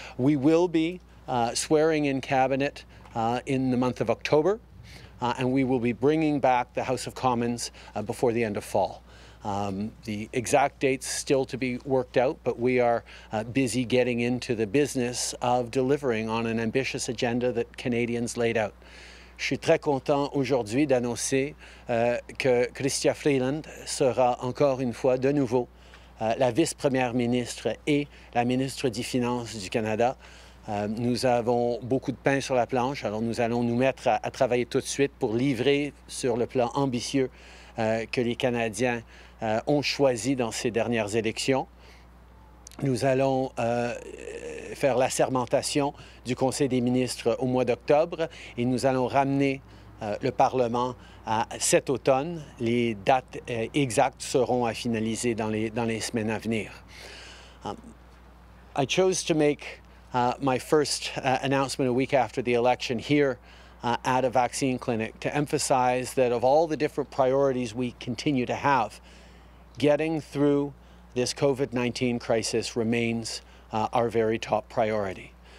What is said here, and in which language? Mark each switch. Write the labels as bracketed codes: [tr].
[en] We will be swearing in Cabinet in the month of October, and we will be bringing back the House of Commons before the end of fall. The exact dates still to be worked out, but we are busy getting into the business of delivering on an ambitious agenda that Canadians laid out. [fr] Je suis très content aujourd'hui d'annoncer que Chrystia Freeland sera encore une fois de nouveau la vice-première ministre et la ministre des Finances du Canada. Nous avons beaucoup de pain sur la planche, alors nous allons nous mettre à travailler tout de suite pour livrer sur le plan ambitieux que les Canadiens ont choisi dans ces dernières élections. Nous allons faire la sermentation du Conseil des ministres au mois d'octobre et nous allons ramener le Parlement à cet automne. Les dates exactes seront à finaliser dans les semaines à venir. [en] I chose to make my first announcement a week after the election here at a vaccine clinic to emphasize that of all the different priorities we continue to have, getting through this COVID-19 crisis remains our very top priority.